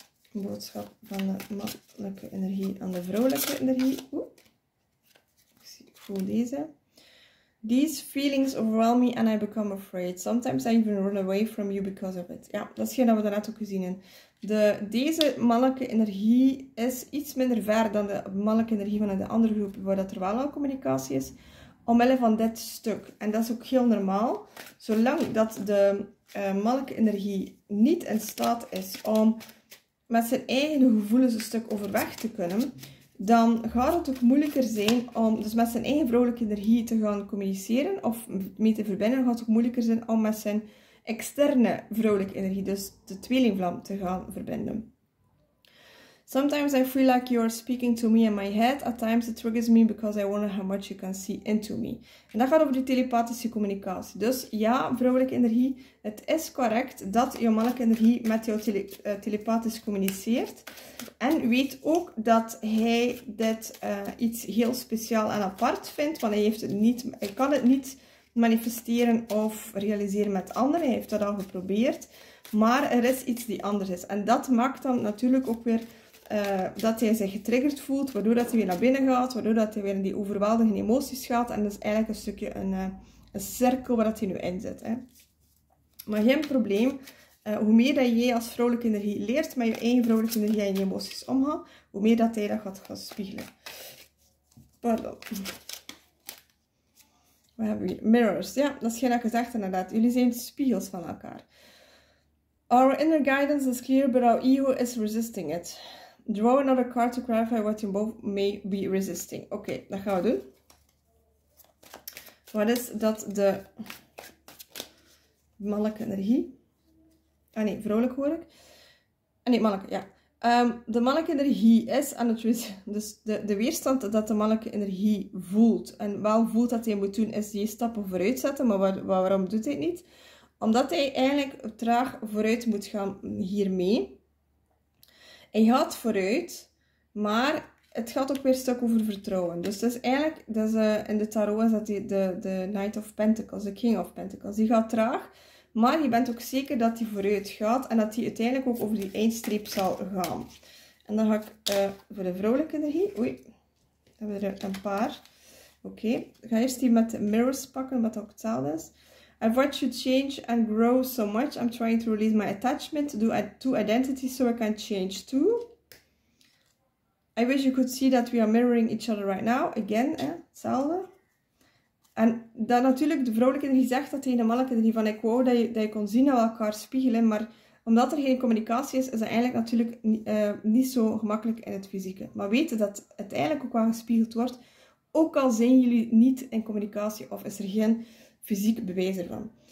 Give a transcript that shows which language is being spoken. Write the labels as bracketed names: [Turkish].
[Dutch] Boodschap van de mannelijke energie aan de vrouwelijke energie. Oeh. Ik voel deze. [English] These feelings overwhelm me and I become afraid. Sometimes I even run away from you because of it. [Dutch] Ja, dat is hetgeen dat we daarnet ook gezien hebben. Deze mannelijke energie is iets minder ver dan de mannelijke energie van de andere groep, waar dat er wel al communicatie is, omwille van dit stuk. En dat is ook heel normaal. Zolang dat de mannelijke energie niet in staat is om met zijn eigen gevoelens een stuk overweg te kunnen, dan gaat het ook moeilijker zijn om dus met zijn eigen vrouwelijke energie te gaan communiceren of mee te verbinden. Gaat het ook moeilijker zijn om met zijn externe vrouwelijke energie, dus de tweelingvlam, te gaan verbinden. [English] Sometimes I feel like you are speaking to me in my head. At times it triggers me because I wonder how much you can see into me. [Dutch] En dat gaat over de telepathische communicatie. Dus ja, vrouwelijke energie, het is correct dat je mannelijke energie met jou telepathisch communiceert. En weet ook dat hij dit iets heel speciaal en apart vindt, want hij kan het niet manifesteren of realiseren met anderen. Hij heeft dat al geprobeerd. Maar er is iets die anders is. En dat maakt dan natuurlijk ook weer dat hij zich getriggerd voelt, waardoor dat hij weer naar binnen gaat, waardoor dat hij weer in die overweldigende emoties gaat. En dat is eigenlijk een stukje een cirkel waar dat hij nu in zit. Hè. Maar geen probleem. Hoe meer dat jij als vrouwelijke energie leert met je eigen vrouwelijke energie en je emoties omgaan, hoe meer dat hij dat gaat spiegelen. Pardon. Wat hebben we hier? Mirrors. Ja, dat is geen dat gezegd inderdaad. Jullie zijn spiegels van elkaar. [English] Our inner guidance is clear, but our ego is resisting it. Draw another card to clarify what you both may be resisting. [Dutch] Oké, dat gaan we doen. Wat is dat de mannelijke energie? Ah nee, vrouwelijk hoor ik. Nee, manneke, ja. De mannelijke energie is aan het wezen. Dus de weerstand dat de mannelijke energie voelt. En wel voelt dat hij moet doen, is die stappen vooruit zetten. Maar waarom doet hij het niet? Omdat hij eigenlijk traag vooruit moet gaan hiermee. Hij gaat vooruit, maar het gaat ook weer een stuk over vertrouwen. Dus het is eigenlijk, dat is, in de tarot is dat de Knight of Pentacles, de King of Pentacles. Die gaat traag, maar je bent ook zeker dat die vooruit gaat en dat die uiteindelijk ook over die eindstreep zal gaan. En dan ga ik voor de vrouwelijke energie. Oei, hebben we er een paar. Oké, ik ga eerst die met de mirrors pakken, wat ook hetzelfde is. [English] I've watched you change and grow so much. I'm trying to release my attachment to identity so I can change too. I wish you could see that we are mirroring each other right now. Again, eh? [Dutch] Hetzelfde. En dan natuurlijk de vrouwelijke die zegt dat tegen de mannelijke die van ik wou dat je kon zien naar elkaar spiegelen. Maar omdat er geen communicatie is, is dat eigenlijk natuurlijk niet zo gemakkelijk in het fysieke. Maar weten dat het eigenlijk ook wel gespiegeld wordt. Ook al zijn jullie niet in communicatie of is er geen fysiek bewijs ervan.